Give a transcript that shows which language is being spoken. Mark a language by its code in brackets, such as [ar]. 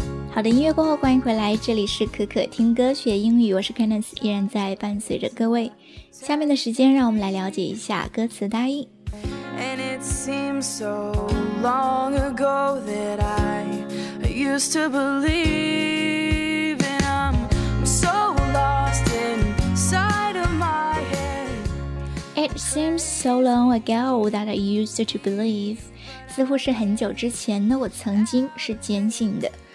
[zh] 好的，音乐过后欢迎回来，这里是可可听歌学英语，我是 Candice， 依然在伴随着各位。下面的时间让我们来了解一下歌词大意。 [en] And it seems so long ago that I used to believe, and I'm so lost inside of my head. It seems so long ago that I used to believe. [zh] 似乎是很久之前的我曾经是坚信的。